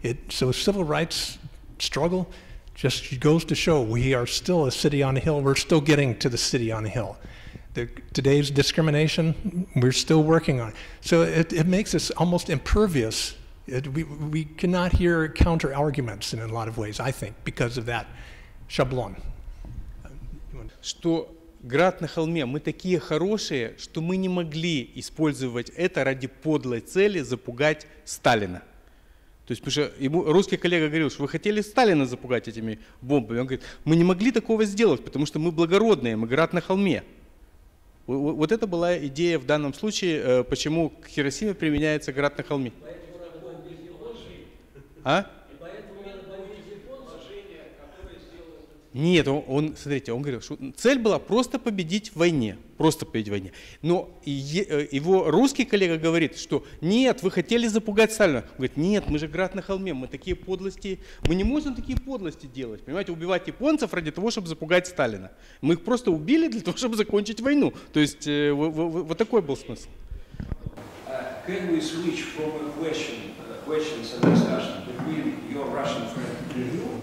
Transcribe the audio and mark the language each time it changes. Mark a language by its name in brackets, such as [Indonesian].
[English] So civil rights struggle just goes to show we are still a city on a hill. We're still getting to the city on a hill. Today's discrimination, we're still working on. So it makes us almost impervious. We cannot hear counter arguments in a lot of ways, I think, because of that шаблон. [Russian] Что град на холме, мы такие хорошие, что мы не могли использовать это ради подлой цели запугать Сталина. То есть, потому что ему русский коллега говорил, что вы хотели Сталина запугать этими бомбами. Он говорит, мы не могли такого сделать, потому что мы благородные, мы град на холме. Вот это была идея в данном случае, почему к Хиросиме применяется град на холме. А? Нет, он, смотрите, он говорил, что цель была просто победить в войне. Просто победить в войне. Но его русский коллега говорит, что нет, вы хотели запугать Сталина. Он говорит, нет, мы же град на холме, мы такие подлости, мы не можем такие подлости делать, понимаете, убивать японцев ради того, чтобы запугать Сталина. Мы их просто убили для того, чтобы закончить войну. То есть вот такой был смысл. [English] Can we switch from a question, questions and discussion between your Russian friend and you?